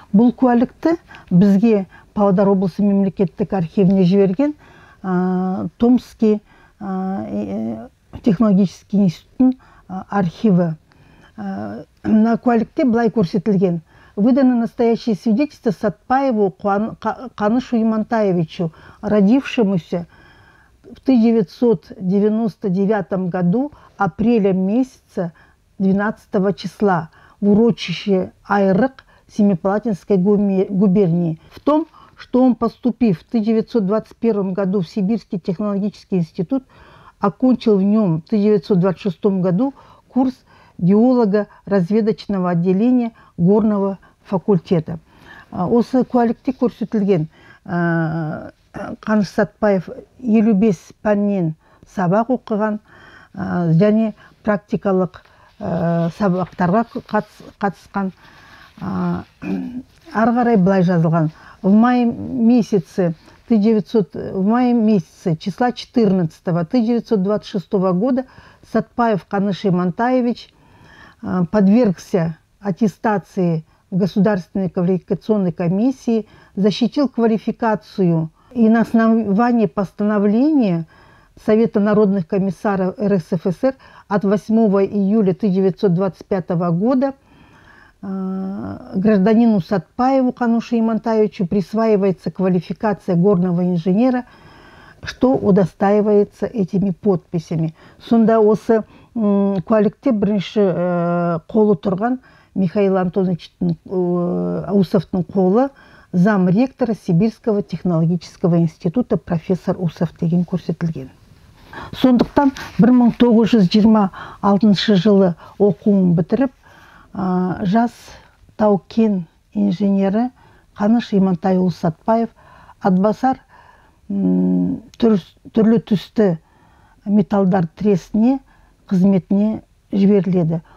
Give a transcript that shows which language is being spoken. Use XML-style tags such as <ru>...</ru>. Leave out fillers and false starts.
<kk>Бұл куәлікті бізге Павлодар облысы мемлекеттік архивіне жіберген Томский технологический институттың архиві. На куәлікте былай көрсетілген.</kk> <ru>выдано настоящее свидетельство Сатпаеву Канышу Имантаевичу, родившемуся в 1999 году апреля месяца 12 числа в урочище Айрык Семипалатинской губернии. В том, что он, поступив в 1921 году в Сибирский технологический институт, окончил в нем в 1926 году курс геолога разведочного отделения горного факультета.</ru> <kk>Осы куәлікте көрсетілген Қаныш Сатпаев 55 пәннен сабақ оқыған және практикалық сабақтарға қатысқан. Ары қарай былай жазылған:</kk> <ru>в мае месяце числа 14-го 1926 года Сатпаев Қаныш Имантаевич подвергся аттестации в Государственной квалификационной комиссии, защитил квалификацию и на основании постановления Совета народных комиссаров РСФСР от 8 июля 1925 года гражданину Сатпаеву Кануше Имантаевичу присваивается квалификация горного инженера, что удостаивается этими подписями.</ru> <kk>Сонда осы куәлікте бірінші қолы тұрған Михаил Антонович Усовтың қолы,</kk> <ru>зам ректора Сибирского технологического института профессор Усов</ru> <kk>деген көрсетілген. Сондықтан 1926 жылы оқуын бітіріп, жас тау-кен инженері Қаныш Имантайұлы Сатпаев Атбасар түрлі түсті металдар тресіне қызметіне жіберіледі.</kk>